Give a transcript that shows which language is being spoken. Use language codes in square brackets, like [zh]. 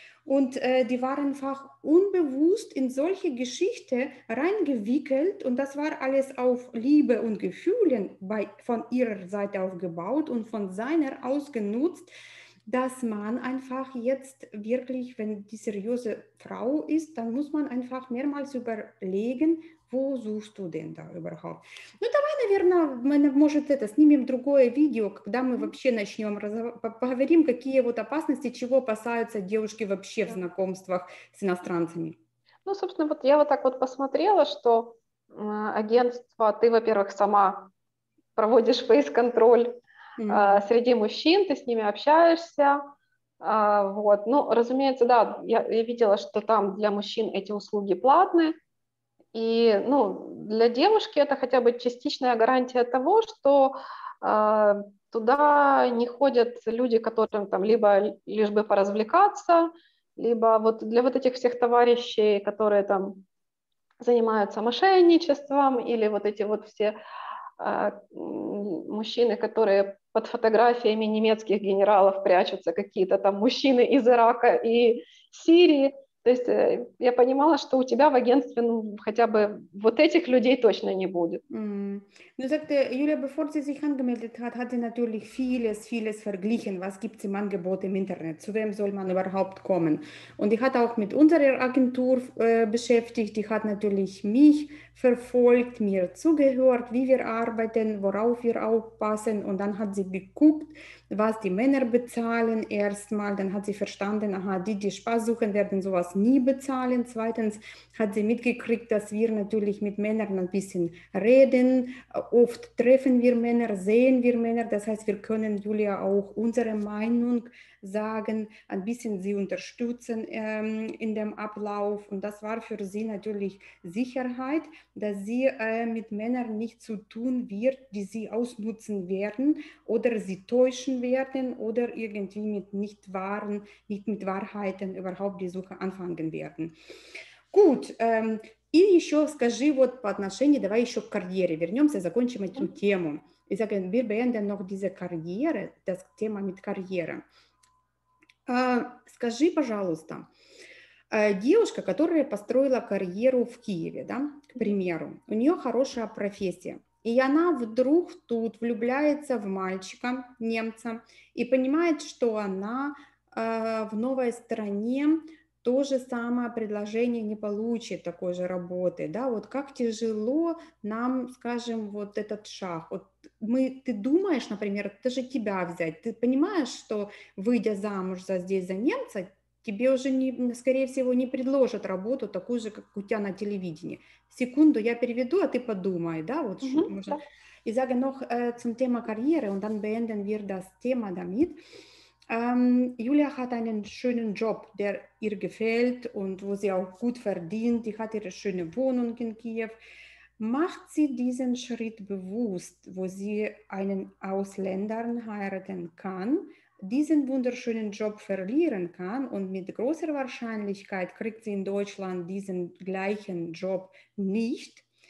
[de] Und die waren einfach unbewusst in solche Geschichte reingewickelt und das war alles auf Liebe und Gefühlen von ihrer Seite aufgebaut und von seiner ausgenutzt, dass man einfach jetzt wirklich, wenn die seriöse Frau ist, dann muss man einfach mehrmals überlegen, wo suchst du denn da überhaupt? [ru] Ну, давай, наверное, мы, может, это, снимем другое видео, когда мы вообще начнем, поговорим, какие вот опасности, чего опасаются девушки вообще в знакомствах с иностранцами. Ну, собственно, вот я вот так вот посмотрела, что агентство, ты, во-первых, сама проводишь фейс-контроль среди мужчин, ты с ними общаешься, вот. Ну, разумеется, да, я видела, что там для мужчин эти услуги платные, И, ну, для девушки это хотя бы частичная гарантия того, что туда не ходят люди, которым там либо лишь бы поразвлекаться, либо вот для вот этих всех товарищей, которые там занимаются мошенничеством, или вот эти вот все мужчины, которые под фотографиями немецких генералов прячутся, какие-то там мужчины из Ирака и Сирии. То есть я понимала, что у тебя в агентстве, ну, хотя бы вот этих людей точно не будет. [de] Du sagte, Julia, bevor sie sich angemeldet hat, hat sie natürlich vieles, vieles verglichen. Was gibt es im Angebot im Internet? Zu wem soll man überhaupt kommen? Und ich hatte auch mit unserer Agentur beschäftigt. Die hat natürlich mich verfolgt, mir zugehört, wie wir arbeiten, worauf wir aufpassen. Und dann hat sie geguckt, was die Männer bezahlen erstmal. Dann hat sie verstanden, aha, die, die Spaß suchen, werden sowas nie bezahlen. Zweitens hat sie mitgekriegt, dass wir natürlich mit Männern ein bisschen reden. Oft treffen wir Männer, sehen wir Männer. Das heißt, wir können Julia auch unsere Meinung sagen, ein bisschen sie unterstützen in dem Ablauf. Und das war für sie natürlich Sicherheit, dass sie mit Männern nicht zu tun wird, die sie ausnutzen werden oder sie täuschen werden oder irgendwie mit nicht wahren, nicht mit Wahrheiten überhaupt die Suche anfangen werden. [ru] Gut, и еще скажи вот по отношению, давай еще к карьере вернемся, закончим эту тему. [de] Ich sage, wir beenden noch diese Karriere, das Thema mit Karriere. [ru] Скажи, пожалуйста, девушка, которая построила карьеру в Киеве, да, к примеру, у нее хорошая профессия, и она вдруг тут влюбляется в мальчика, немца, и понимает, что она в новой стране то же самое предложение не получит такой же работы, да, вот как тяжело нам, скажем, вот этот шаг, вот мы, ты думаешь, например, даже тебя взять, ты понимаешь, что выйдя замуж за здесь за немца, тебе уже, не, скорее всего, не предложат работу такую же, как у тебя на телевидении. Секунду, я переведу, а ты подумай, да, вот что можно. [de] И sage noch zum Thema Karriere und dann beenden wir das Thema damit. Julia hat einen schönen Job, der ihr gefällt und wo sie auch gut verdient. Die hat ihre schöne Wohnung in Kiew. Macht sie diesen Schritt bewusst, wo sie einen Ausländer heiraten kann, diesen wunderschönen Job verlieren kann und mit großer Wahrscheinlichkeit kriegt sie in Deutschland diesen gleichen Job nicht?